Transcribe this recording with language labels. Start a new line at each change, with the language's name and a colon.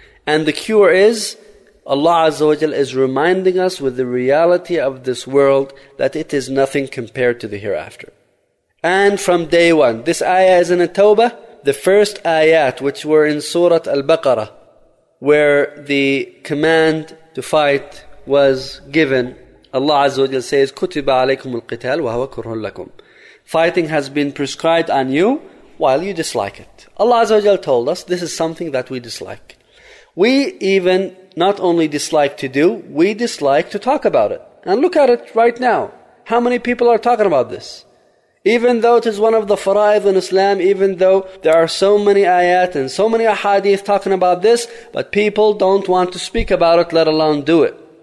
English: And the cure is, Allah Azza wa Jal is reminding us with the reality of this world that it is nothing compared to the hereafter. And from day one, this ayah is in a tawbah, the first ayat which were in Surah Al-Baqarah, where the command to fight was given. Allah Azza wa Jal says,
Arabic: كُتِبَ عَلَيْكُمُ الْقِتَالُ وَهُوَ كُرْهٌ لَكُمْ.
English: Fighting has been prescribed on you while you dislike it. Allah Azza wa Jal told us this is something that we dislike. We even not only dislike to do, we dislike to talk about it. And look at it right now. How many people are talking about this? Even though it is one of the fara'id in Islam, even though there are so many ayat and so many ahadith talking about this, but people don't want to speak about it, let alone do it.